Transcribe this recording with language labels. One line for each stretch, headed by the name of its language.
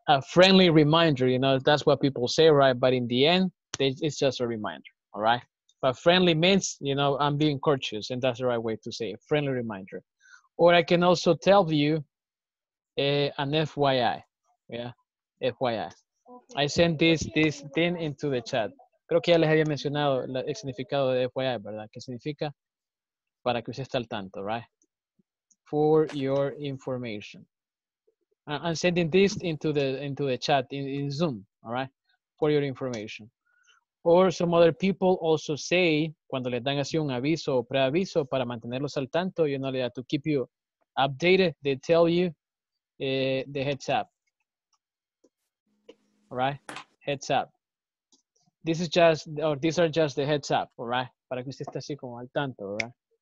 English: A friendly reminder. You know, that's what people say, right? But in the end, it's just a reminder. All right. But friendly means, you know, I'm being courteous. And that's the right way to say it. Friendly reminder. Or I can also tell you an FYI, yeah, FYI. Okay. I sent this thing into the chat.
Spanish: Creo que ya les había mencionado el significado de FYI, ¿verdad? ¿Qué significa? Para que usted esté al tanto, right?
English: For your information. I'm sending this into the chat in Zoom, all right? For your information. Or some other people also say,
Spanish: cuando les dan así un aviso o preaviso para mantenerlos al tanto,
English: you know, to keep you updated, they tell you the heads up. All right? Heads up. This is just, or these are just the heads up, all right?
Spanish: Para que usted esté así como al tanto, all right?